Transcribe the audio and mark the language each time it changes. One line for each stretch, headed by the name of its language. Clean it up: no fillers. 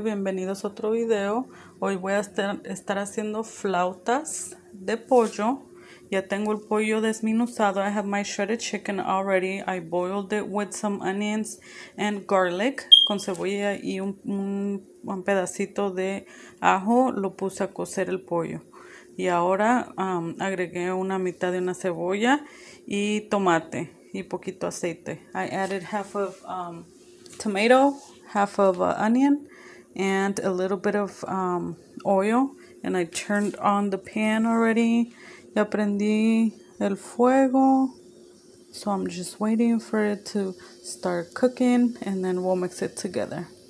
Spanish: Bienvenidos a otro video. Hoy voy a estar haciendo flautas de pollo. Ya tengo el pollo desmenuzado.
English: I have my shredded chicken already. I boiled it with some onions and garlic.
Spanish: Con cebolla y un pedacito de ajo lo puse a cocer el pollo. Y ahora agregué una mitad de una cebolla y tomate y poquito aceite.
English: I added half of tomato, half of onion, and a little bit of oil. And I turned on the pan already.
Spanish: Ya prendí el fuego.
English: So I'm just waiting for it to start cooking, and then we'll mix it together.